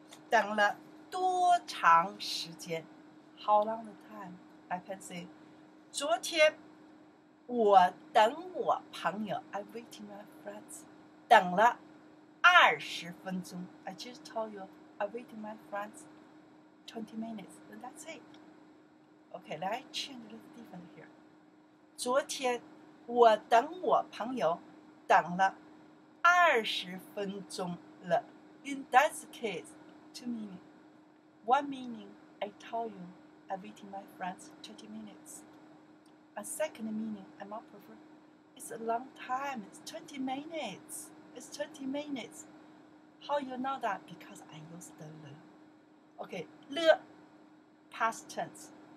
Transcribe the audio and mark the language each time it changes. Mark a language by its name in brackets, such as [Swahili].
[Chinese] 等了多长时间 [English] How long the time? I can say, [Chinese] 昨天我等我朋友 [English] I'm waiting my friends. [Chinese] 等了二十分钟 [English] I just told you, I'm waiting my friends 20 minutes, and that's it. Okay, let's change a little different here. [Chinese] 昨天我等我朋友等了二十分钟了。 [English] In that case, two meaning. One meaning, I told you, I'm waiting my friends 20 minutes. A second meaning, I'm not prefer. It's a long time. It's 20 minutes. It's 20 minutes. How you know that? Because I use the le. Okay, le, past tense.